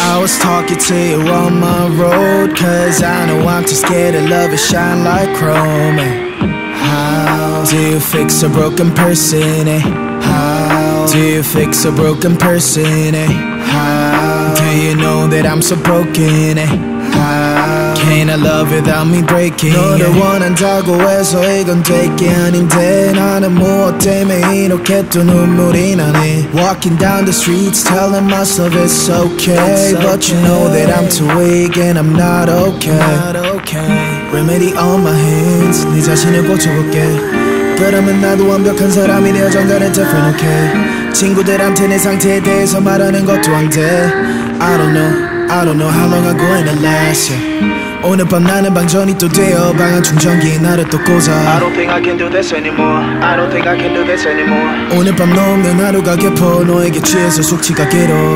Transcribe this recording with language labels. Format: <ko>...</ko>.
<en>I was talking to you on my road, cause I know I'm too scared of love, it shine like chrome. Do you fix a broken person, eh? How? Do you fix a broken person, eh? How? Do you know that I'm so broken, eh? How? Can I love without me breaking?</en> <ko>너를 원한다고 해서 이건 되게 아닌데 나는 무엇 때문에 이렇게 또 눈물이 나네.</ko> <en>Walking down the streets telling myself it's okay, it's okay. But you know that I'm too weak and I'm not okay, not okay. Remedy on my hands,</en> <ko>네 자신을 고쳐볼게. 그러면 나도 완벽한 사람이 되어 정단에</ko> <en>different, okay.</en> <ko>친구들한테 내 상태에 대해서 말하는 것도 안 돼.</ko> <en>I don't know how long I'm going to last, yeah.</en> <ko>오늘 밤 나는 방전이 또 되어 방안 충전기에 나를 또 꽂아.</ko> <en>I don't think I can do this anymore.</en> <ko>오늘 밤 넘는 하루가 깊어 너에게 취해서 숙취가 길어.</ko>